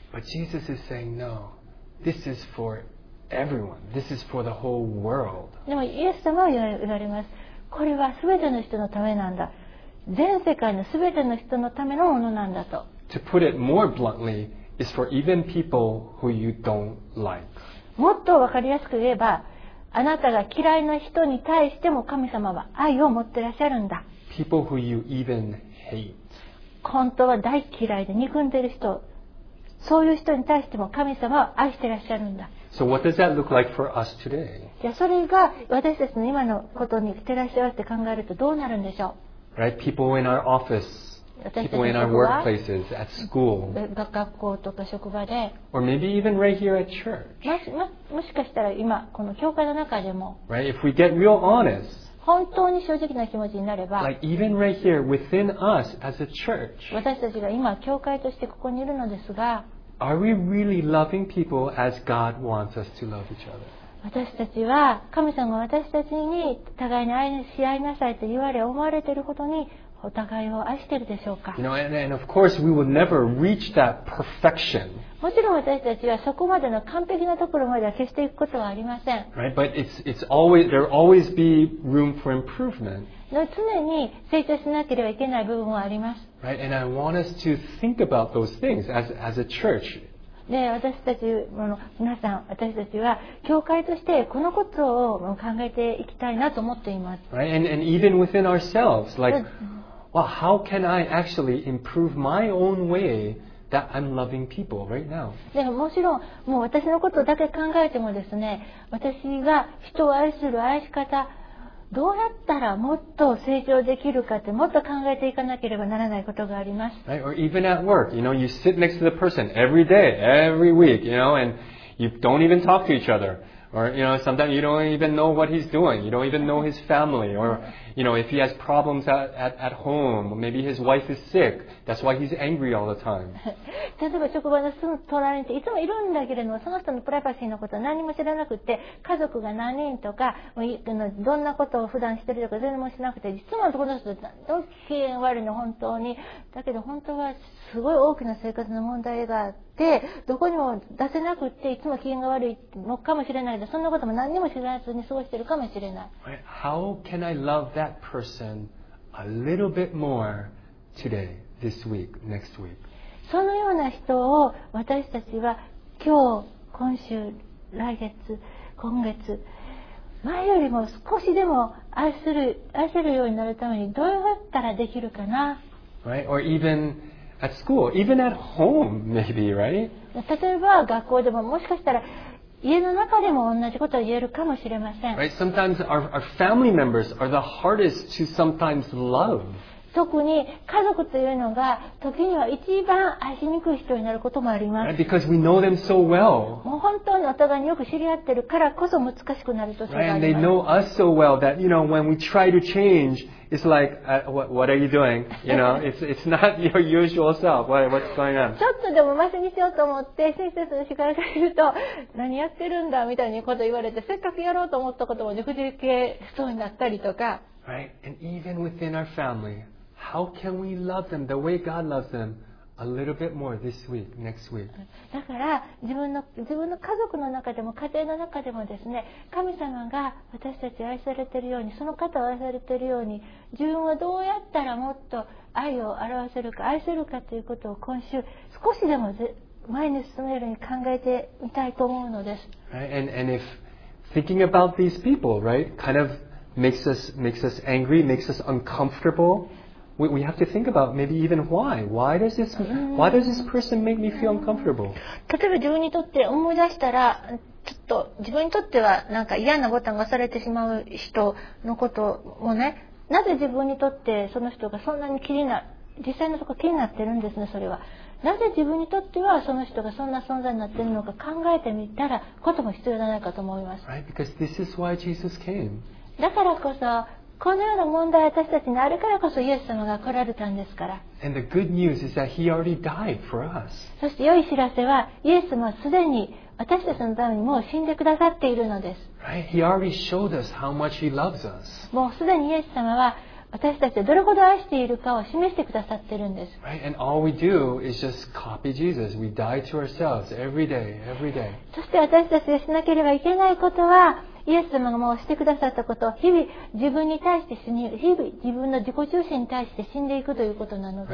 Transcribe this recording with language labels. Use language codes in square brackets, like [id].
[en] But Jesus is saying, no, this is for everyone. This is for the whole world. [ja] でもイエス様は言われます。これは全ての人のためなんだ。全世界のすべての人のためのものなんだと。 [en] To put it more bluntly, is for even people who you don't like. [ja] もっとわかりやすく言えば、あなたが嫌いな人に対しても神様は愛を持ってらっしゃるんだ。 [en] People who you even hate. [ja] 本当は大嫌いで憎んでる人、そういう人に対しても神様は愛してらっしゃるんだ。 [en] So what does that look like for us today? [ja] じゃあそれが私たちの今のことに照らし合わせて考えるとどうなるんでしょう。 [en] Right, people in our office, people in our workplaces, at school, [ja] 学校とか職場で、 [en] or maybe even right here at church. [ja] もしかしたら今この教会の中でも、 [en] right, if we get real honest, [ja] 本当に正直な気持ちになれば、 [en] like even right here within us as a church, [ja] 私たちが今教会としてここにいるのですが、 [en] are we really loving people as God wants us to love each other? [ja] 私たちは神様が私たちに互いに愛し合いなさいと言われ思われているほどにお互いを愛しているでしょうか。 [en] You know, and of course we will never reach that perfection. [ja] もちろん私たちはそこまでの完璧なところまでは決していくことはありません。 [en] Right, but it's always, there'll always be room for improvement. [ja] 常に成長しなければいけない部分はあります。 [en] Right, and I want us to think about those things as a church. [ja] で私たち皆さん私たちは教会としてこのことを考えていきたいなと思っています。 [en] Right, and even within ourselves, like, well, how can I actually improve my own way that I'm loving people right now? [ja] でももちろんもう私のことだけ考えてもですね、私が人を愛する愛し方どうやったらもっと成長できるかってもっと考えていかなければならないことがあります。 [en] Right, or even at work, you know, you sit next to the person every day, every week, you know, and you don't even talk to each other. Or, you know, sometimes you don't even know what he's doing. You don't even know his family. Or, you know, if he has problems at home, maybe his wife is sick, that's why he's angry all the time. [ja] 例えば職場の人取られていつもいるんだけれども、その人のプライバシーのことを何も知らなくて、家族が何人とか、どんなことを普段してるとか全然もしなくて、実はこの人なんと機嫌悪いの本当に。だけど本当はすごい大きな生活の問題があって、でどこにも出せなくていつも機嫌が悪いのかもしれないけど、そんなことも何にも知らずに過ごしているかもしれない。 [en] How can I love that person a little bit more today, this week, next week? [ja] そのような人を私たちは今日、今週、来月、今月、前よりも少しでも愛せるようになるためにどうやったらできるかな。 [en] Right? Or evenAt school, even at home, maybe, right? [ja] 例えば学校でももしかしたら家の中でも同じことを言えるかもしれません。 [en] Right? Sometimes our family members are the hardest to sometimes love. [ja] 特に家族というのが時には一番愛しにくい人になることもあります。 [en] Right? Because we know them so well. [ja] もう本当にお互いによく知り合ってるからこそ難しくなるとそうなります。 [en] And they know us so well that, you know, when we try to change,It's like, what are you doing? You know, it's not your usual self. What's going on? [ja] ちょっとでもマシにしようと思って先生の力から言うと何やってるんだみたいなこと言われてせっかくやろうと思ったこともねくじけそうになったりとか。 [en] Right, and even within our family, how can we love them the way God loves them a little bit more this week, next week? [ja] だから自分の家族の中でも家庭の中でもですね、神様が私たち愛されているように、その方を愛されているように、自分はどうやったらもっと愛を表せるか愛せるかということを今週少しでも前に進めるように考えてみたいと思うのです。 [en] Right, and if thinking about these people, right, kind of makes us angry, makes us uncomfortable,We have to think about maybe even why. Why does this person make me feel uncomfortable? [ja] 例えば自分にとって思い出したら、ちょっと自分にとってはなんか嫌なボタンが押されてしまう人のこともね、なぜ自分にとってその人がそんなに気になる、実際のところ気になってるんですね、それは。なぜ自分にとってはその人がそんな存在になってるのか考えてみたら、ことも必要じゃないかと思います。 [en] Right? Because this is why Jesus came. [ja] だからこそ、このような問題は私たちにあるからこそイエス様が来られたんですから。 [en] And the good news is that he already died for us. [ja] そして良い知らせはイエス様はすでに私たちのためにもう死んでくださっているのです。 [en] Right? He already showed us how much he loves us. [ja] もうすでにイエス様は私たちをどれほど愛しているかを示してくださっているんです。 [en] Right? And all we do is just copy Jesus. We die to ourselves every day, every day. [ja] そして私たちがしなければいけないことはイエス様がもうしてくださったことを日々自分に対して死に、日々自分の自己中心に対して死んでいくということなので、